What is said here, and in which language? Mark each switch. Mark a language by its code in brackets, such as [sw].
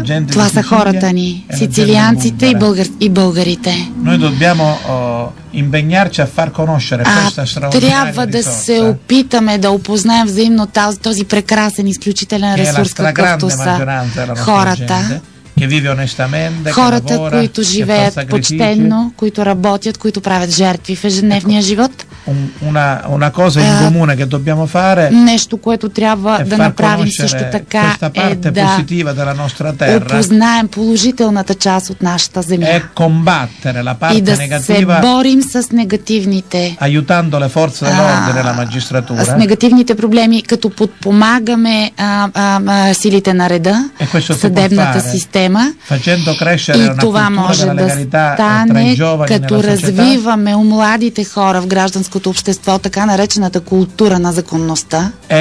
[bg] Това са хората ни, сицилианците и българите. [it] Noi dobbiamo impegnarci a far conoscere questa straordinaria risorsa. [bg] Трябва да се опитаме да опознаем взаимно този прекрасен, изключителен ресурс, какъвто са хората. [it] Che vive onestamente, [bg] хората, [it] che lavora, [bg] които живеят почтенно, които работят, които правят жертви в ежедневния живот. [it] Una cosa in comune che dobbiamo fare, [bg] нещо, което трябва да направим също така, [it] è positiva della nostra terra, [bg] опознаем положителната част от нашата земя [it] e combattere la parte [bg] и да [it] negativa, [bg] се борим с негативните, [it] aiutando le forze dell'ordine, la magistratura, [bg] с негативните проблеми, като подпомагаме силите на реда, съдебната система. [it] Facendo crescere [bg] и това може да стане, като развиваме у младите хора в гражданското общество така наречената култура на законността